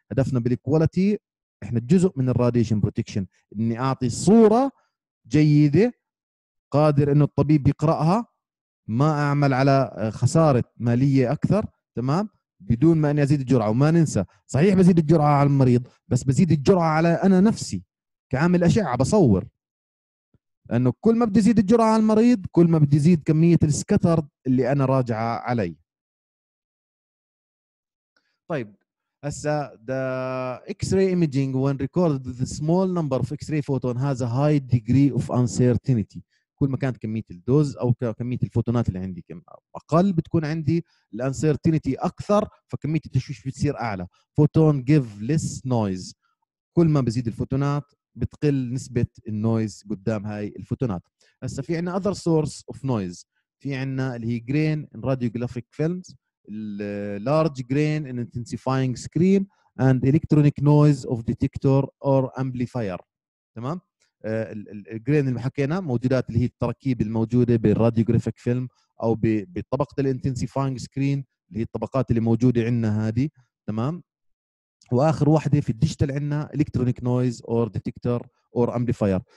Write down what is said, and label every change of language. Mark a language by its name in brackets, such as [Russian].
[Arabic] هدفنا بالكواليتي، إحنا جزء من الراديشن بروتكشن، أني أعطي صورة جيدة قادر أنه الطبيب يقرأها، ما أعمل على خسارة مالية أكثر، تمام؟ بدون ما أني أزيد الجرعة. وما ننسى، صحيح بزيد الجرعة على المريض، بس بزيد الجرعة على أنا نفسي كعامل أشعة بصور. لأنه كل ما بدي زيد الجرعة على المريض كل ما بدي زيد كمية السكتر اللي أنا راجعة علي. طيب هسا [English] the X-ray imaging when recorded with a small number of X-ray photon has a high degree of uncertainty. [Arabic] كل ما كانت كمية الدوز أو كمية الفوتونات اللي عندي أقل بتكون عندي الانسيرتينيتي أكثر، فكمية التشويش بتصير أعلى. فوتون [English] give less noise، [Arabic] كل ما بزيد الفوتونات بتقل نسبة النويز قدام هاي الفوتونات. هسا في عنا [English] other source of noise، [Arabic] في عنا اللي هي [English] grain in radiographic films، large grain in intensifying screen and electronic noise of detector or amplifier. [Arabic] تمام؟ الجرين اللي حكينا موجودات اللي هي التركيب الموجودة بالراديوغرافيك فيلم أو بطبقة الانتنسيفاينج سكرين اللي هي الطبقات اللي موجودة عندنا هذه، تمام. وآخر واحدة في الديجيتال عندنا [English] Electronic noise or detector or amplifier.